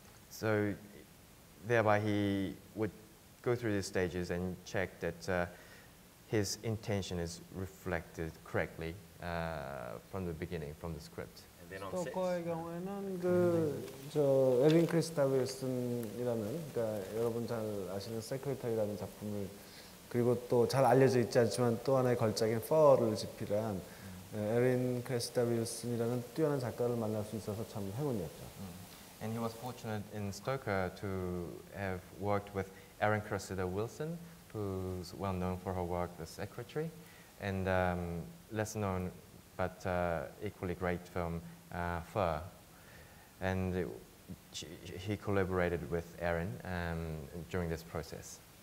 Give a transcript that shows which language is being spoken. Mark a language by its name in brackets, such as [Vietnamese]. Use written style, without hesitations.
[English] So thereby he would go through these stages and check that his intention is reflected correctly from the beginning, from the script. [Korean] 스토커의 경우에는 그 저 에빈 크리스타 윌슨이라는 그러니까 여러분 잘 아시는 세크레터리라는 작품을 그리고 또 잘 알려져 있지 않지만 또 하나의 걸작인 퍼를 집필한 에빈 크리스타 윌슨이라는 뛰어난 작가를 만날 수 있어서 참 행운이었죠. [English] And he was fortunate in Stoker to have worked with Erin Cressida Wilson, who's well known for her work, The Secretary, and less known but equally great film, Fur. And he collaborated with Erin during this process.